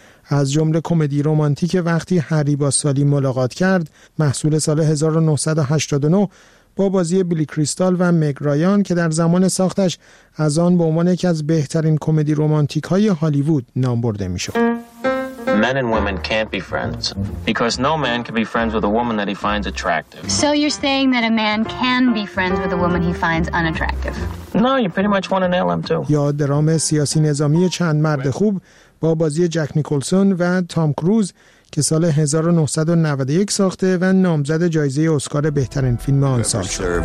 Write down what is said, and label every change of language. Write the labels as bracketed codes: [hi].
[fa] از جمله کمدی رمانتیک وقتی هری با سالی ملاقات کرد، محصول سال 1989 با بازی بیلی کریستال و مگ رایان که در زمان ساختش از آن به عنوان یکی از بهترین کمدی رمانتیک های هالیوود نام برده می شود. [en] Men and women can't be friends because no man can be friends with a woman that he finds attractive. So you're saying that a man can be friends with a woman he finds unattractive. No, you pretty much want to nail him too. [fa] یاد درام سیاسی نظامی چند مرد خوب با بازی جک نیکلسون و تام کروز که سال 1991 ساخته و نامزد جایزه اسکار بهترین فیلم آن سال شد.